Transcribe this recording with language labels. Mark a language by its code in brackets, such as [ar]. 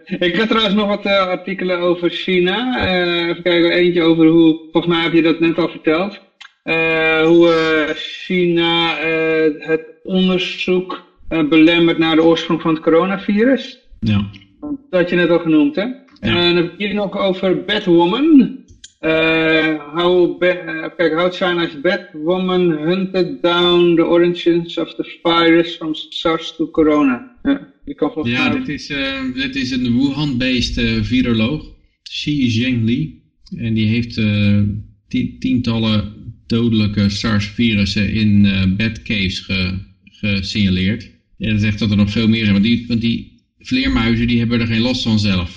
[nl] Ik heb trouwens nog wat artikelen over China. Even kijken, eentje over hoe... Volgens mij heb je dat net al verteld. hoe China het onderzoek belemmert naar de oorsprong van het coronavirus. Ja. Dat je net al genoemd, hè? Ja. En dan heb ik hier nog over Batwoman. [en] How China's Batwoman hunted down the origins of the virus from SARS to Corona. [nl] Ja, dit is een Wuhan-based viroloog, Xi Zhengli. En die heeft tientallen dodelijke SARS-virussen in batcaves gesignaleerd. En dat zegt dat er nog veel meer zijn, want die vleermuizen die hebben er geen last van zelf.